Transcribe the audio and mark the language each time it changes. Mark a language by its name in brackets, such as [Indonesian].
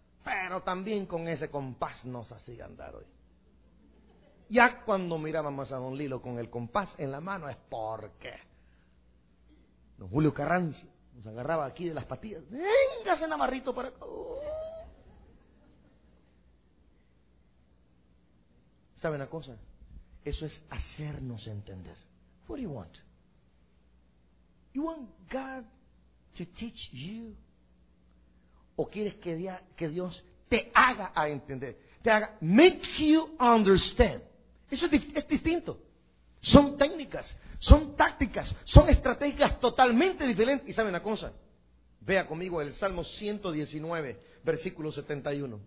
[Spanish] Pero también con ese compás nos hacía andar hoy. Ya cuando mirábamos a Don Lilo con el compás en la mano, es porque Don Julio Carranza nos agarraba aquí de las patillas. ¡Véngase, Navarrito, para acá! ¿Sabe una cosa? Eso es hacernos entender. [English] What do you want? You want God to teach you? [Spanish] ¿O quieres que Dios te haga a entender? Te haga, [English] make you understand. [Spanish] Eso es distinto. Son técnicas, son tácticas, son estrategias totalmente diferentes. ¿Y saben una cosa? Vea conmigo el Salmo 119, versículo 71.